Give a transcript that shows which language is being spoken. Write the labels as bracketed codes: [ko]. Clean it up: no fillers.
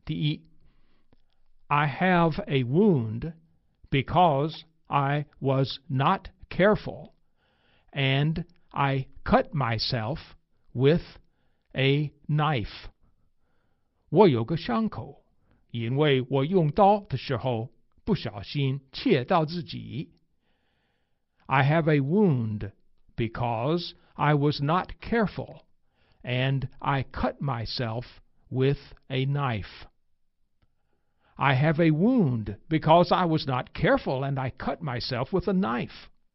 [en] 第一， I have a wound because I was not careful and I cut myself with a knife。 [zh] 我有个伤口，因为我用刀的时候不小心切到自己。 [en] I have a wound because I was not careful and I cut myself with a knife. I have a wound because I was not careful and I cut myself with a knife.